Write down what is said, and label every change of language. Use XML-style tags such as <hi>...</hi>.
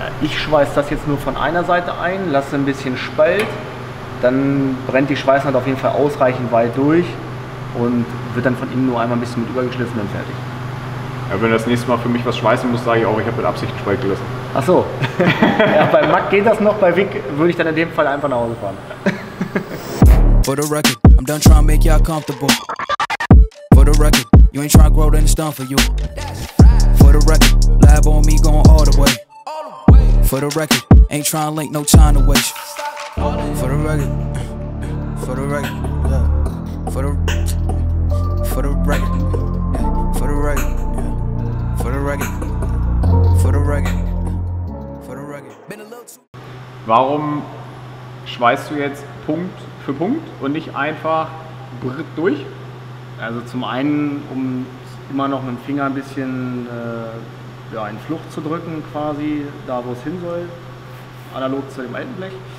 <de>Ich schweiße das jetzt nur von einer Seite ein, lasse ein bisschen Spalt, dann brennt die Schweißnaht auf jeden Fall ausreichend weit durch. Und wird dann von innen nur einmal ein bisschen mit übergeschliffen und fertig. Ja, wenn du das nächste Mal für mich was schweißen musst, sage ich auch, ich habe mit Absicht Spalt gelassen. Ach so. Ja, bei Mack geht das noch, bei Vic würde ich dann in dem Fall einfach nach Hause fahren.</de> <en>For the record, I'm done trying to make y'all comfortable. For the record, you ain't trying to grow, then it's done for you. For the record, lab on me going all the way. For the record, ain't trying to link no time to waste. For the record, for the record, yeah. For the record. For the record, for the record, for the record, for the record, for the record.</en> <de>Warum schweißt du jetzt Punkt für Punkt und nicht einfach durch? Also zum einen, um immer noch mit dem Finger ein bisschen in Flucht zu drücken, quasi da, wo es hin soll, analog zu dem alten Blech.</de>